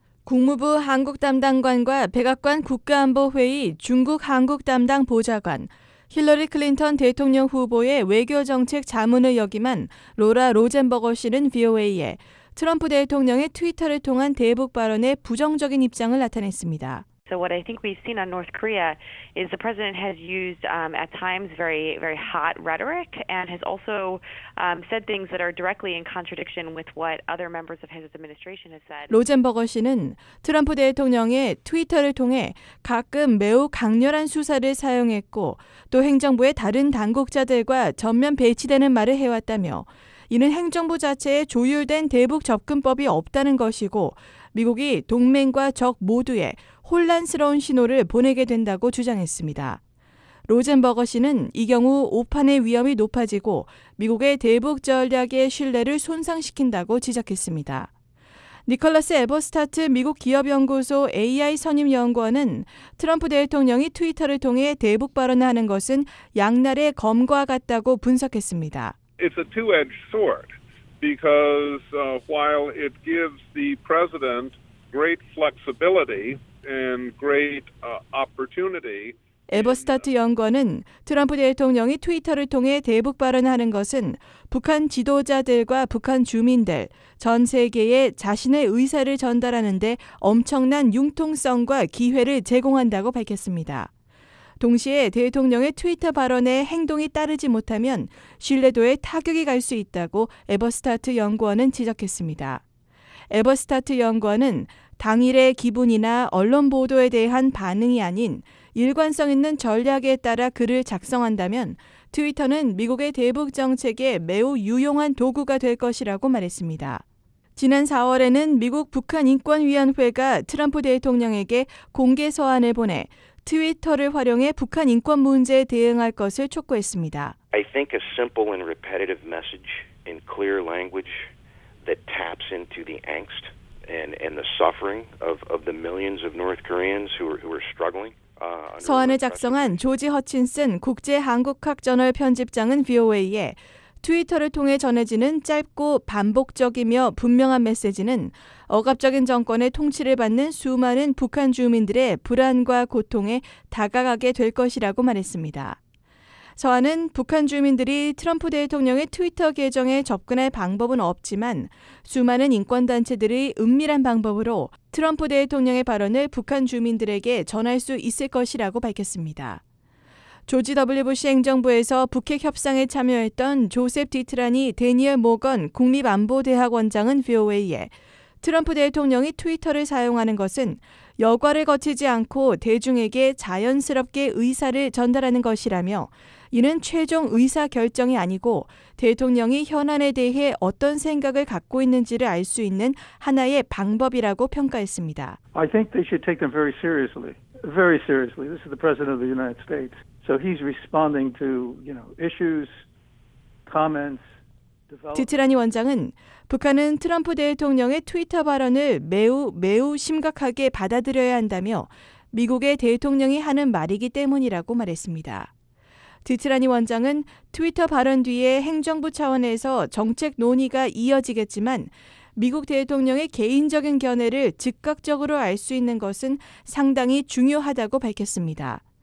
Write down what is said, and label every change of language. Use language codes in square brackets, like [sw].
[ko] 국무부 한국 담당관과 백악관 국가안보회의 중국 한국 담당 보좌관, 힐러리 클린턴 대통령 후보의 외교정책 자문을 역임한 로라 로젠버거 씨는 VOA에 트럼프 대통령의 트위터를 통한 대북 발언에 부정적인 입장을 나타냈습니다. [en] So what I think we've seen on North Korea is the president has used at times very, very hot rhetoric and has also said things that are directly in contradiction with what other members of his administration have said. [ko] 로젠버거 씨는 트럼프 대통령의 트위터를 통해 가끔 매우 강렬한 수사를 사용했고 또 행정부의 다른 당국자들과 전면 배치되는 말을 해왔다며 이는 행정부 자체에 조율된 대북 접근법이 없다는 것이고 미국이 동맹과 적 모두에 혼란스러운 신호를 보내게 된다고 주장했습니다. 로젠버거 씨는 이 경우 오판의 위험이 높아지고 미국의 대북 전략의 신뢰를 손상시킨다고 지적했습니다. 니콜라스 에버스타트 미국 기업연구소 AI 선임연구원은 트럼프 대통령이 트위터를 통해 대북 발언을 하는 것은 양날의 검과 같다고 분석했습니다. [en] It's a two-edged sword because while it gives the president great flexibility and great opportunity, [ko] 에버스타트 연구원은 트럼프 대통령이 트위터를 통해 대북 발언하는 것은 북한 지도자들과 북한 주민들, 전 세계에 자신의 의사를 전달하는 데 엄청난 융통성과 기회를 제공한다고 밝혔습니다. 동시에 대통령의 트위터 발언에 행동이 따르지 못하면 신뢰도에 타격이 갈 수 있다고 에버스타트 연구원은 지적했습니다. 에버스타트 연구원은 당일의 기분이나 언론 보도에 대한 반응이 아닌 일관성 있는 전략에 따라 글을 작성한다면 트위터는 미국의 대북 정책에 매우 유용한 도구가 될 것이라고 말했습니다. 지난 4월에는 미국 북한인권위원회가 트럼프 대통령에게 공개 서한을 보내 트위터를 활용해 북한 인권 문제에 대응할 것을 촉구했습니다. [en] I think a simple and repetitive message in clear language that taps into the angst and the suffering of the millions of North Koreans who are struggling. [ko] 서한을 작성한 조지 허친슨 국제 한국학 저널 편집장은 VOA에 트위터를 통해 전해지는 짧고 반복적이며 분명한 메시지는 억압적인 정권의 통치를 받는 수많은 북한 주민들의 불안과 고통에 다가가게 될 것이라고 말했습니다. 서한은 북한 주민들이 트럼프 대통령의 트위터 계정에 접근할 방법은 없지만 수많은 인권단체들이 은밀한 방법으로 트럼프 대통령의 발언을 북한 주민들에게 전할 수 있을 것이라고 밝혔습니다. 조지 W. 부시 행정부에서 북핵 협상에 참여했던 조셉 디트라니 대니얼 모건 국립안보대학원장은 VOA에 트럼프 대통령이 트위터를 사용하는 것은 여과를 거치지 않고 대중에게 자연스럽게 의사를 전달하는 것이라며 이는 최종 의사 결정이 아니고 대통령이 현안에 대해 어떤 생각을 갖고 있는지를 알 수 있는 하나의 방법이라고 평가했습니다. [en] I think they should take them very seriously. Very seriously. This is the President of the United States. So he's responding to, you know, issues, comments. [ko] 디트라니 원장은 북한은 트럼프 대통령의 트위터 발언을 매우 매우 심각하게 받아들여야 한다며 미국의 대통령이 하는 말이기 때문이라고 말했습니다. 디트라니 원장은 트위터 발언 뒤에 행정부 차원에서 정책 논의가 이어지겠지만 미국 대통령의 개인적인 견해를 즉각적으로 알 수 있는 것은 상당히 중요하다고 밝혔습니다.